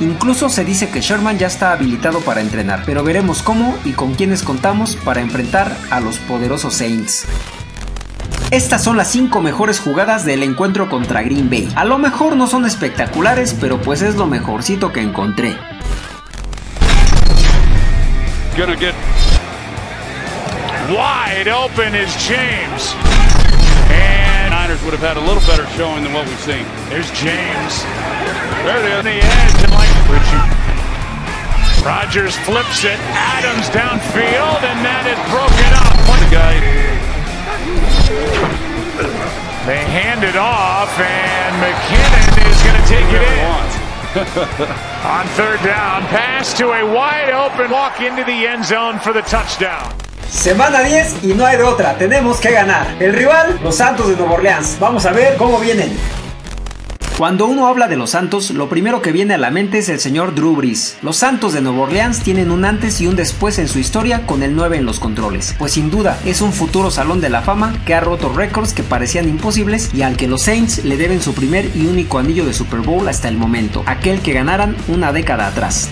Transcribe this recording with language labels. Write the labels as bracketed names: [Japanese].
[Spanish] Incluso se dice que Sherman ya está habilitado para entrenar, pero veremos cómo y con quiénes contamos para enfrentar a los poderosos Saints. Estas son las 5 mejores jugadas del encuentro contra Green Bay. A lo mejor no son espectaculares, pero pues es lo mejorcito que encontré. [English] Gonna get wide open is James. And Niners would have had a little better showing than what we've seen. There's James. There it is on the edge and like Richie. Rodgers flips it. Adams downfield and that is broken up. What a guy. They hand it off and McKinnon is going to take it in. On third down, pass to a wide open walk into the end zone for the touchdown. [Spanish] Semana 10 y no hay de otra, tenemos que ganar. El rival, los Santos de Nueva Orleans. Vamos a ver cómo vienen. Cuando uno habla de los Santos, lo primero que viene a la mente es el señor Drew Brees. Los Santos de Nueva Orleans tienen un antes y un después en su historia con el 9 en los controles, pues sin duda es un futuro salón de la fama que ha roto récords que parecían imposibles y al que los Saints le deben su primer y único anillo de Super Bowl hasta el momento, aquel que ganaran una década atrás.